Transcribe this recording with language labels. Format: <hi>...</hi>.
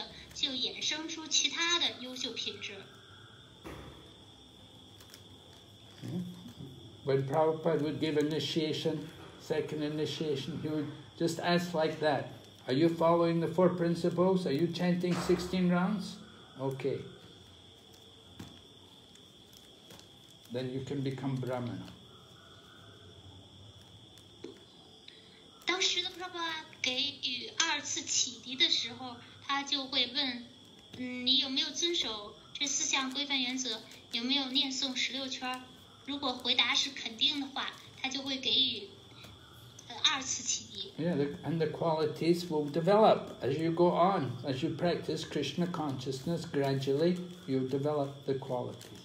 <zh>就这个思想规范原则，不赌博，不服麻醉品，没有非法的性行为，唱念诵十六圈，就是发展婆罗门品质的一个很好的一个基础。从这个就衍生出其他的优秀品质。</zh> <en>When Prabhupada would give initiation, second initiation, he would just ask like that, are you following the four principles? Are you chanting 16 rounds? Okay. Then you can become Brahmana.</en> <zh>当时的Prabhupada给予二次启迪的时候，他就会问，你有没有遵守这四项规范原则，有没有念诵十六圈？如果回答是肯定的话，他就会给予二次启迪。</zh> <en>Yeah, and the qualities will develop as you go on. As you practice Krishna consciousness, gradually you develop the qualities.</en>